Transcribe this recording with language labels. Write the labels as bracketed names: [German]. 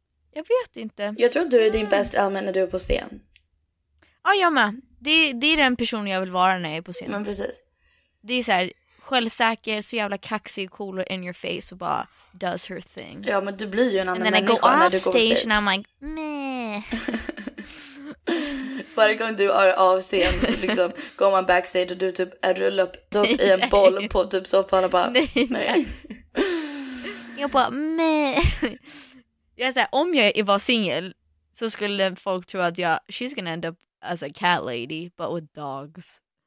[Swedish] Jag vet inte. Jag tror att du är din bäst element när du är på scen. Ja, jag med. Det är den personen jag vill vara när jag är på scen. Men precis. Det är så här, självsäker, så jävla kaxig och cool [English] in your face [Swedish] och bara [English] does her thing. [Swedish] Ja, men du blir ju en annan människa när du går på scen. [English] And then I go off stage and I'm like, meh. [Swedish] Varje gång du är av scen så liksom går man backstage och du typ rullar upp i en boll på typ soffan och bara nej. Jag bara meh. Jag säger, om jag var singel så skulle folk tro att jag, [English] she's gonna end up as a cat lady but with dogs.